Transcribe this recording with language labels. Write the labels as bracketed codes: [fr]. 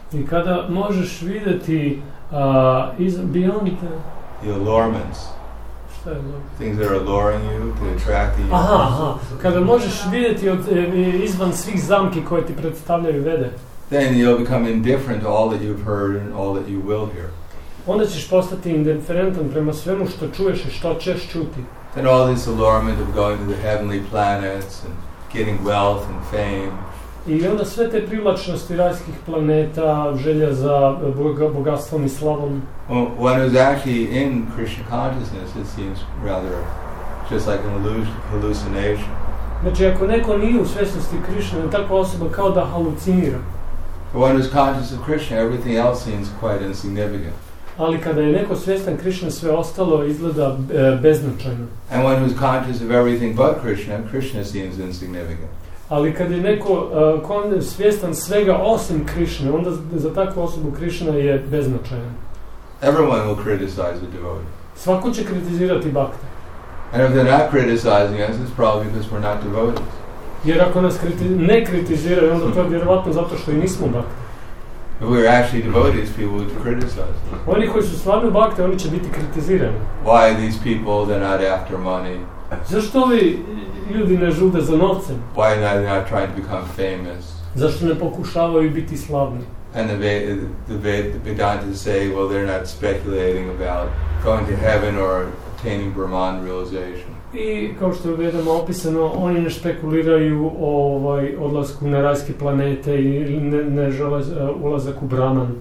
[bs] i kada možeš videti [en] beyond the allurements, things that are alluring you to attract you, [bs] kada možeš videti izvan svih zamki koje ti predstavljaju Vede, [en] then you'll become indifferent to all that you've heard and all that you will hear. [bs] Onda ćeš postati indiferentan prema svemu što čuješ i što ćeš čuti. [en] And all this allurement of going to the heavenly planets and getting wealth and fame. [bs] I onda sve te privlačnosti rajskih planeta, želja za bogatstvom i slavom. [en] When it's actually in Krishna consciousness, it seems rather just like an hallucination. [bs] Znači, ako neko nije u svjesnosti Krishna, je takva osoba kao da halucinira. [en] For one who's conscious of Krishna, everything else seems quite insignificant. [bs] Ali kada je neko svjestan Krishna, sve ostalo izgleda beznačajno. [en] And one who's conscious of everything but Krishna, Krishna seems insignificant. [bs] Ali kada je neko svjestan svega osim Krishna, onda za takvu osobu Krishna je beznačajan. [en] Everyone will criticize the devotee. [bs] Svako će kritizirati bhakta. [en] And if they're not criticizing us, it's probably because we're not devotees. [bs] Jer ako nas ne kritiziraju, onda to je vjerovatno zato što i nismo bhakta. [en] If we're actually devotees, people would criticize. [bs] Oni koji su stvarno bhakte, oni će biti kritizirani. [en] Why are these people, they're not after money? [bs] Zašto ovi ljudi ne žude za novcem? [en] Why are they not trying to become famous? [bs] Zašto ne pokušavaju biti slavni? [en] And the Vedantas say, well, they're not speculating about going to heaven or attaining Brahman realization. [bs] I kao što je u Vedama opisano, oni ne špekuliraju o odlasku na rajske planete i ne žele ulazak u Brahman.